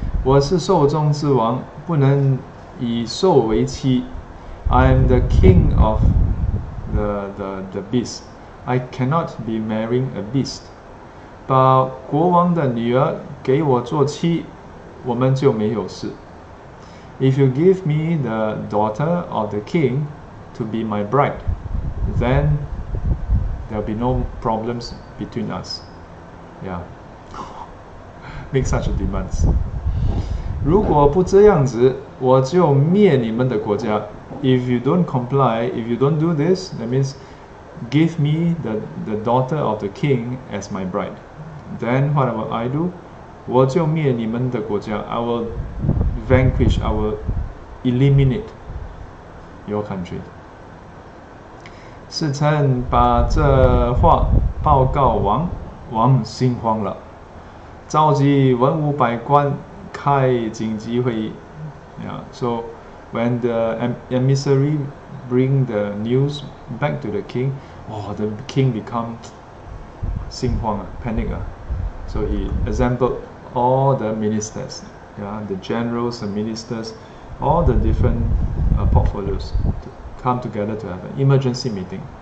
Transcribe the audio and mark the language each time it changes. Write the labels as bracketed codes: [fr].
[zh] 我是兽中之王, 不能以兽为妻. [en] I am the king of the beast. I cannot be marrying a beast. [zh] 把国王的女儿给我做妻, 我们就没有事. [en] If you give me the daughter of the king to be my bride, then there'll be no problems between us. Yeah. Make such a demands. [zh] 如果不这样子, 我就灭你们的国家. [en] If you don't comply, if you don't do this, that means give me the daughter of the king as my bride. Then what will I do? [zh] 我就灭你们的国家. [en] I will vanquish, I will eliminate your country. [zh] 侍臣把这话报告王, 王心慌了, 召集文武百官开紧急会议. [en] Yeah, so when the emissary bring the news back to the king, oh, the king become 心慌, panic. So he assembled all the ministers, yeah, the generals, the ministers, all the different portfolios to come together to have an emergency meeting.